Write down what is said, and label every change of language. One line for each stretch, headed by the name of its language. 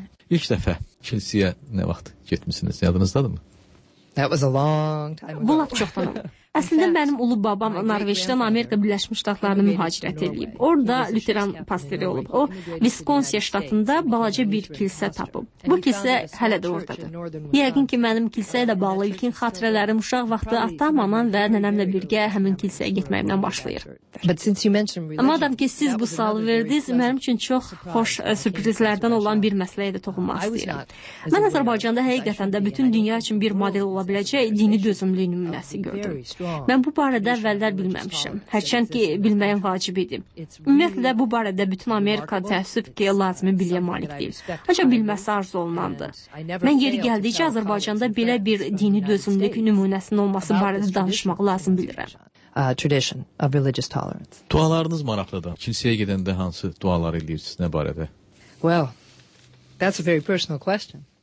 Azerbaijani: İlk dəfə kilsiyə nə vaxt getmişsiniz? Yadınızdadırmı?
English: That was a long time ago.
Azerbaijani: Bu laf çoxdan olub. Əslində, mənim ulu babam Norveçdən Amerika Birləşmiş Ştatlarına mühacirət edib. Orada Lutheran pastori olub. O, Viskonsiya ştatında balaca bir kilsə tapıb. Bu kilsə hələ də oradadır. Yəqin ki, mənim kilsə ilə bağlı ilkin xatirələrim uşaq vaxtı atam, anam və nənəmlə birgə həmin kilsəyə getməyimdən başlayır. Madam ki, siz bu sualı verdiniz, mənim üçün çox xoş sürprizlərdən olan bir məsələyə də toxunmaq istəyirəm. Mən Azərbaycanda həqiqətən də bütün dünya üçün bir model ola biləcək dini dözümlüyün nümunəsi gördüm. Mən bu barədə əvvəllər bilməmişim, hərçənd ki, bilməyim vacib idi. Ümumiyyətlə, bu barədə bütün Amerika təəssüf ki, lazımi biliyə malik deyil. Ancaq bilməsi arzu olunandı. Mən yeri gəldikcə Azərbaycanda belə bir dini dözümlük nümunəsinin olması barədə danışmaq lazım bilirəm.
English: Tradition of religious tolerance.
Azerbaijani: Dualarınız maraqlıdır. Kilsəyə gedəndə hansı dualar edirsiniz, nə barədə?
English: Well, that's a very personal question.